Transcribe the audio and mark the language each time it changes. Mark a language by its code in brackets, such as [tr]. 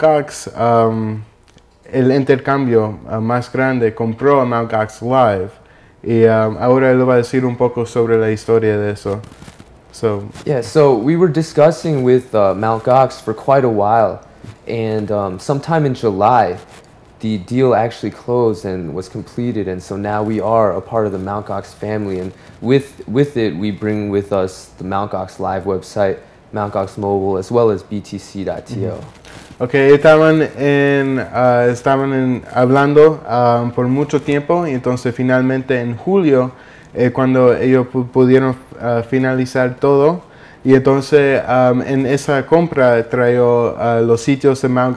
[es] Gox, el intercambio más grande, compró a Mt. Gox Live. Y ahora él va a decir un poco sobre la historia de eso. [en] So. Yeah, so we were discussing with Mt. Gox for quite a while. And sometime in July, the deal actually closed and was completed. And so now we are a part of the Mt. Gox family. And with it, we bring with us the Mt. Gox Live website, Mt. Gox Mobile, as well as BTC.to. Mm-hmm. [es] Okay, estaban hablando por mucho tiempo y entonces finalmente en julio cuando ellos pudieron finalizar todo y entonces en esa compra trajo los sitios de Mt.